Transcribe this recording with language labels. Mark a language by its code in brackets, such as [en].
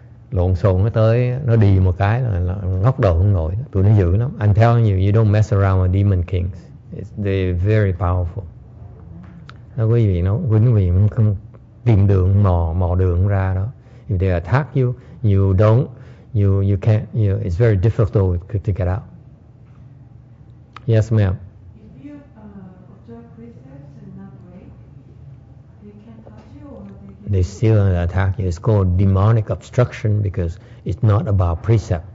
[vi] Lộn xộn nó tới, nó đi một cái là ngóc đầu không nổi. Tụi nó dữ lắm. [en] I'm telling you, you don't mess around with demon kings. They're very powerful. [vi] Đó, quý vị nó quý vị không tìm đường, mò đường ra đó. [en] If they attack you, you don't, you can't, you know, it's very difficult to get out. Yes, ma'am. If you observe precepts and not wait, you can pass on you or they can't. They still want to attack you. It's called demonic obstruction because it's not about precept.